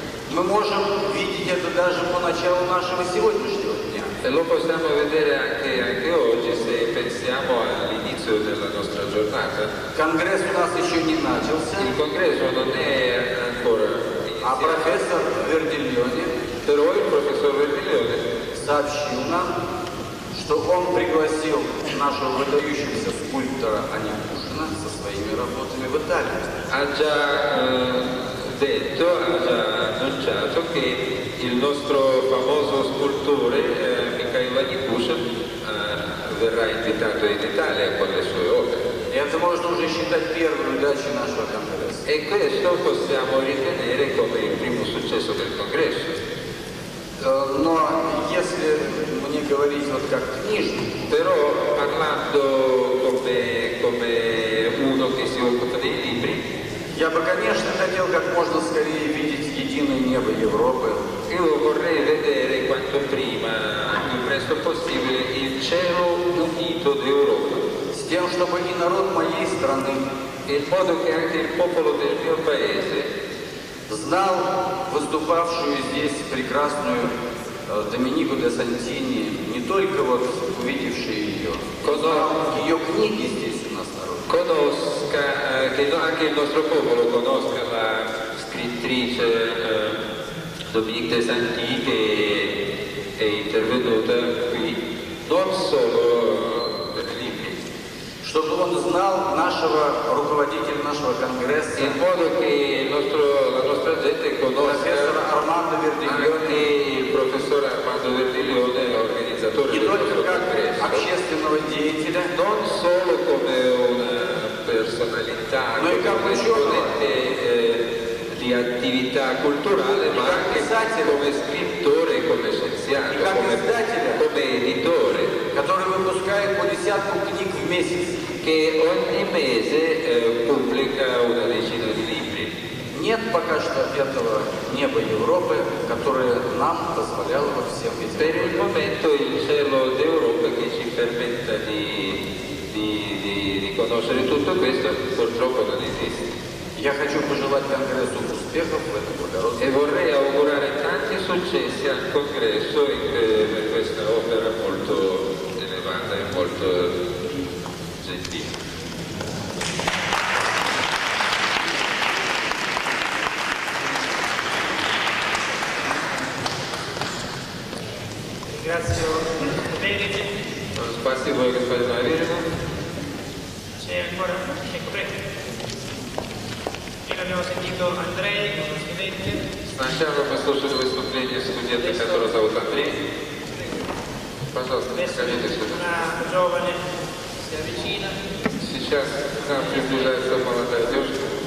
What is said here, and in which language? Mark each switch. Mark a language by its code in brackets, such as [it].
[ru] Мы можем видеть это даже по началу нашего сегодняшнего дня. [it] E lo possiamo vedere anche, anche oggi se pensiamo all'inizio della nostra giornata. [ru] Конгресс у нас еще не начался. [it] Il congresso non è ancora iniziato. [ru] А профессор Вердильоне, [it] però il professor Вердильоне [ru] сообщил нам, что он пригласил нашего выдающегося скульптора Анякушина со своими работами в Италию. [it] Ha già detto, ha già annunciato che il nostro famoso scultore Michael Anякушин verrà invitato in Italia con le sue opere. [ru] Это можно уже считать первой удачей нашего конгресса. [it] E questo possiamo ritenere come il primo successo del congresso. [ru] Но если мне говорить вот как книжный, [it] però parlando come uno che si occupa dei libri, [ru] я бы, конечно, хотел как можно скорее видеть единое небо Европы. [it] Io vorrei vedere quanto prima, il presto possibile, il cielo unito d'Europa. [ru] С тем, чтобы и народ моей страны, [it] in modo che anche il popolo del mio paese [ru] знал выступавшую здесь прекрасную Доминику де Сантини, не только вот увидевшую ее, но и ее книги здесь у нас на родине. [it] Conosca, che anche il nostro popolo conosca la scrittrice Dominique de Sanctini che è intervenuta qui, non solo per libri. [ru] Чтобы он знал нашего руководителя нашего конгресса. [it] In modo che la nostra gente conosca Armando Вердильоне, il professor Armando Вердильоне, organizzatore del nostro congresso. [ru] Общественного деятеля. [it] Non solo come una personalità, come un componente di attività culturale, ma anche come scrittore, come scienziato, come editore. [ru] Который выпускает по десятку книг в месяц. [it] Che ogni mese pubblica una decina di libri. [ru] Нет пока что этого неба Европы, которое нам позволяло во всем этим. [it] Per il momento il cielo d'Europa che ci permetta di conoscere tutto questo, purtroppo non esiste. [ru] Я хочу пожелать конгрессу успехов в этом благородном. [it] E vorrei augurare tanti successi al congresso in questa opera molto elevata e molto gentile. Ringrazio Benedetti. Sono spazio voi che fate mai vero. C'è ancora? Ecco, prego. [ru] Сначала послушали выступление студента, которого зовут Андрей. Пожалуйста, приходите сюда. Сейчас к нам приближается молодая девушка.